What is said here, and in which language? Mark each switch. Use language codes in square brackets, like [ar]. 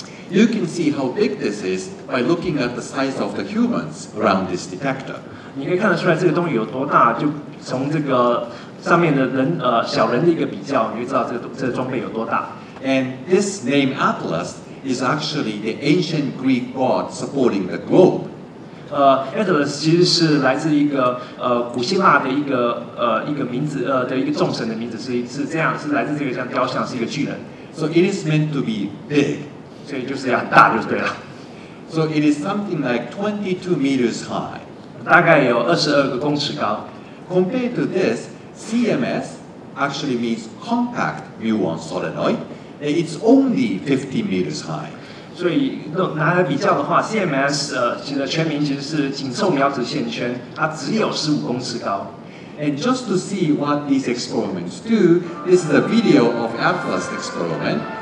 [en] You can see how big this is by looking at the size of the humans around this detector. [zh] 你可以看得出来这个东西有多大，就从这个上面的人小人的一个比较，你就知道这个装备有多大。 [en] And this name Atlas is actually the ancient Greek god supporting the globe. [zh] Atlas 其实是来自一个古希腊的一个名字的一个众神的名字，是这样，是来自这个像雕像，是一个巨人。 [en] So it is meant to be big， [zh] 所以就是要很大就对了。 [en] So it is something like 22 meters high， [zh] 大概有22个公尺高。 [en] Compared to this, CMS actually means compact muon solenoid. It's only 50 meters high. [zh] 所以拿来比较的话 ，CMS 其实全名其实是紧凑苗子线圈，它只有15公尺高。 [en] And just to see what these experiments do, this is a video of Atlas experiment.